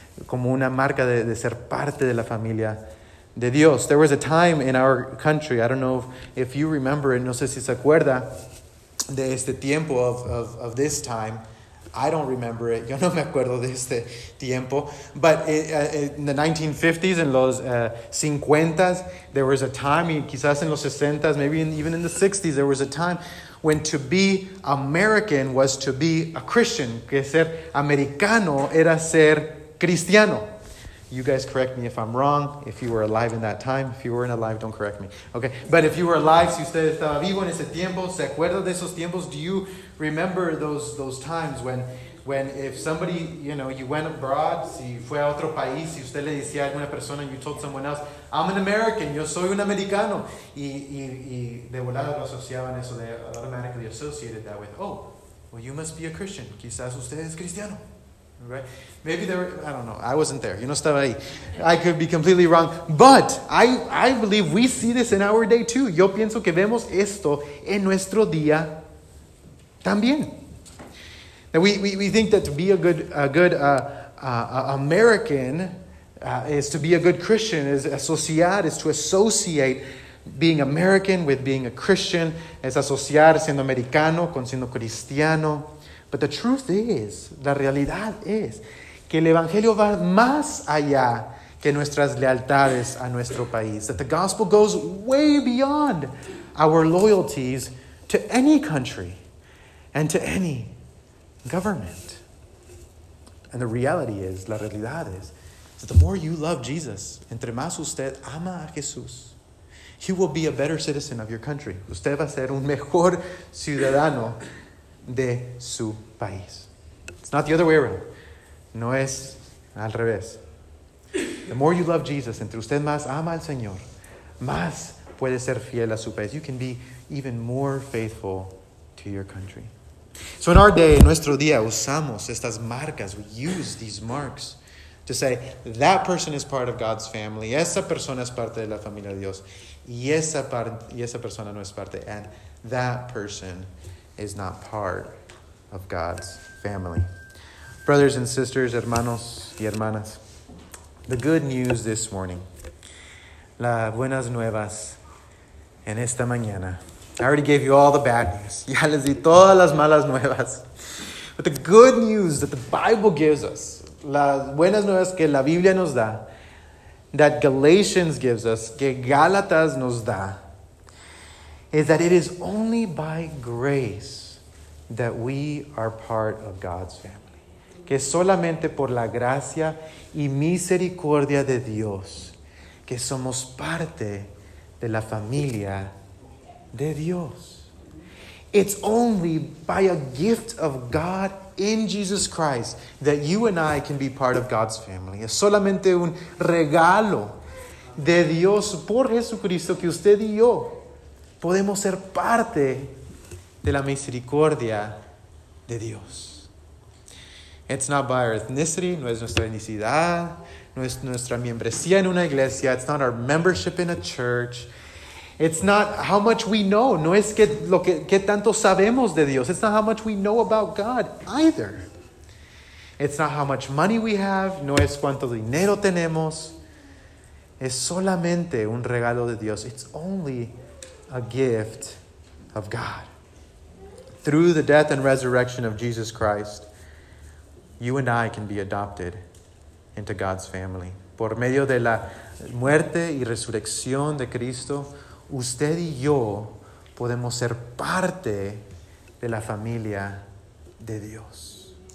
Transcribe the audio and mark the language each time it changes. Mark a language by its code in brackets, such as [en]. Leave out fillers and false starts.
[es] Como una marca de ser parte de la familia de Dios. [en] There was a time in our country, I don't know if you remember it, [es] no sé si se acuerda de este tiempo [en] of this time. I don't remember it. [es] Yo no me acuerdo de este tiempo. [en] But in the 1950s, [es] en los 50s, [en] there was a time, [es] y quizás en los 60s, [en] maybe even in the 60s, there was a time when to be American was to be a Christian. [es] Que ser americano era ser cristiano. [en] You guys correct me if I'm wrong. If you were alive in that time, if you weren't alive, don't correct me. Okay, but if you were alive, [es] si usted estaba vivo en ese tiempo, ¿se acuerda de esos tiempos? [en] Do you remember those times when if somebody, you know, you went abroad, [es] si fue a otro país, si usted le decía a alguna persona, [en] you told someone else, I'm an American, [es] yo soy un americano, y de volada lo asociaban eso, [en] they automatically associated that with, oh, well, you must be a Christian, [es] quizás usted es cristiano. [en] Right. Maybe there were, I don't know, I wasn't there. You know, [es] estaba ahí. [en] I could be completely wrong. But I believe we see this in our day too. [es] Yo pienso que vemos esto en nuestro día también. [en] That we think that to be a good American is to be a good Christian, is asociar, is to associate being American with being a Christian, [es] es asociar siendo americano con siendo cristiano. [en] But the truth is, [es] la realidad es, que el Evangelio va más allá que nuestras lealtades a nuestro país. [en] That the gospel goes way beyond our loyalties to any country and to any government. And the reality is, [es] la realidad es, [en] that the more you love Jesus, [es] entre más usted ama a Jesús, [en] you will be a better citizen of your country. [es] Usted va a ser un mejor ciudadano de su país. [en] It's not the other way around. [es] No es al revés. [en] The more you love Jesus, [es] entre usted más ama al Señor, más puede ser fiel a su país. [en] You can be even more faithful to your country. So in our day, [es] en nuestro día, usamos estas marcas. [en] We use these marks to say, that person is part of God's family. [es] Esa persona es parte de la familia de Dios. Y esa persona no es parte. [en] And that person is not part of God's family. Brothers and sisters, [es] hermanos y hermanas, [en] the good news this morning, [es] las buenas nuevas en esta mañana. [en] I already gave you all the bad news. [es] Ya les di todas las malas nuevas. [en] But the good news that the Bible gives us, [es] las buenas nuevas que la Biblia nos da, [en] that Galatians gives us, [es] que Gálatas nos da, [en] is that it is only by grace that we are part of God's family. [es] que solamente por la gracia y misericordia de Dios que somos parte de la familia de Dios. [en] It's only by a gift of God in Jesus Christ that you and I can be part of God's family. [es] Es solamente un regalo de Dios por Jesucristo que usted y yo podemos ser parte de la misericordia de Dios. [en] It's not by our ethnicity, [es] no es nuestra etnicidad, no es nuestra membresía en una iglesia, [en] it's not our membership in a church. It's not how much we know. [es] No es que lo que, que tanto sabemos de Dios. [en] It's not how much we know about God either. It's not how much money we have. [es] No es cuánto dinero tenemos. Es solamente un regalo de Dios. [en] It's only a gift of God. Through the death and resurrection of Jesus Christ, you and I can be adopted into God's family. [es] Por medio de la muerte y resurrección de Cristo, usted y yo podemos ser parte de la familia de Dios.